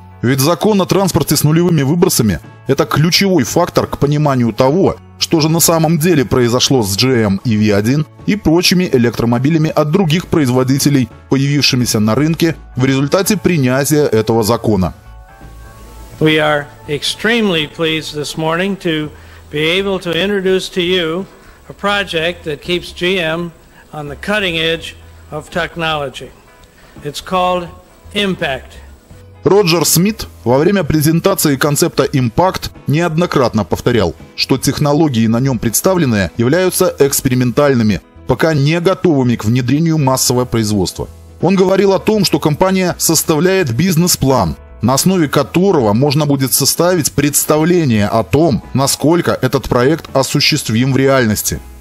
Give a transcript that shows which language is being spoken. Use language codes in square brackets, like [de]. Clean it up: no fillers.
[ru] Ведь закон о транспорте с нулевыми выбросами – это ключевой фактор к пониманию того, что же на самом деле произошло с GM EV1 и прочими электромобилями от других производителей, появившимися на рынке в результате принятия этого закона. [en] We are extremely pleased this morning to be able to introduce to you a project that keeps GM on the cutting edge of technology. It's called Impact. [ru] Роджер Смит во время презентации концепта Impact неоднократно повторял, что технологии, на нем представленные, являются экспериментальными, пока не готовыми к внедрению массового производства. Он говорил о том, что компания составляет бизнес-план, на основе которого можно будет составить представление о том, насколько этот проект осуществим в реальности.